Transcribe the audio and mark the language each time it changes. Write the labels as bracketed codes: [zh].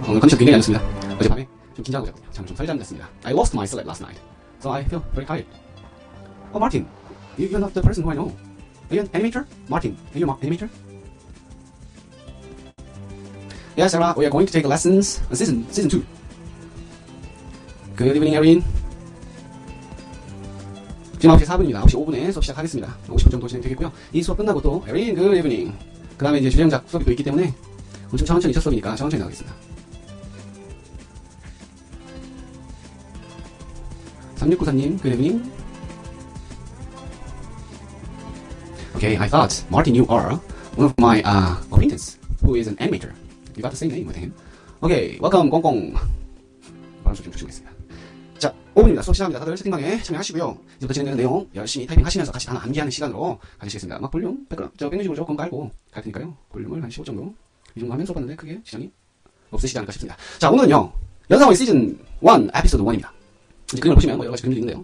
[ko] 오늘 컨디션 굉장히 안 좋습니다. 어젯밤에 좀 긴장하고 자고 잠을 좀 살 잤습니다. [en] I lost my sleep last night. So I feel very tired. Oh, Martin. You're not the person who I know. Are you an animator? Martin, are you an animator? Yeah, Sarah, we are going to take lessons in season 2. Good evening, Erin. [ko] 지금 9시 4분입니다. 9시 5분에 수업 시작하겠습니다. 50분 정도 진행되겠고요. 이 수업 끝나고 또 [en] Erin, good evening. [ko] 그 다음에 이제 주제영작 수업이 또 있기 때문에 오늘 좀 천천히 첫 수업이니까 천천히 나가겠습니다. [en] 3694님, good evening. Okay, I thought Martin, you are one of my acquaintance who is an animator. You got the same name with him. Okay, welcome, 꽁꽁. [ko] 바람 속 좀 조심하겠습니다. 자, 5분입니다. 수업 시작합니다. 다들 채팅방에 참여하시고요. 이제부터 진행되는 내용 열심히 타이핑하시면서 같이 단어 암기하는 시간으로 가지시겠습니다. 막 볼륨 100%, 조금 깔고 갈 테니까요. 볼륨을 한 15 정도. 이 정도 하면서 봤는데 크게 지장이 없으시지 않을까 싶습니다. 자, 오늘은요. 연상호의 시즌 1, 에피소드 1입니다. 이제 그림을 보시면 뭐 여러 가지 그림들이 있는데요.